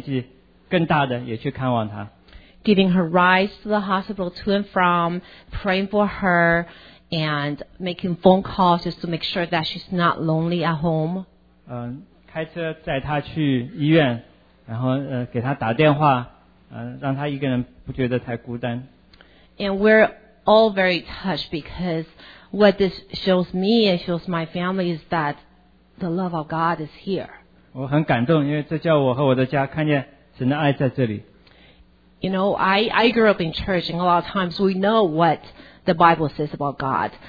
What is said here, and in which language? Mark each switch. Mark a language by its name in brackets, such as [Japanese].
[Chinese] 我知道在这里每一位你们都在那里经历，不管是为他们准备食物，还是去看望他，我知道这里有中学的孩子去看他，还有比我妈妈年纪更大的也去看望他。 [English] Giving her rides to the hospital to and from, praying for her, and making phone calls just to make sure that she's not lonely at home. [Chinese] 开车载她去医院，然后给她打电话，让她一个人不觉得太孤单。 [English] And we're all very touched because what this shows me and shows my family is that the love of God is here. [Chinese] 我很感动，因为这叫我和我的家看见神的爱在这里。 [English] I grew up in church, and a lot of times we know what the Bible says about God.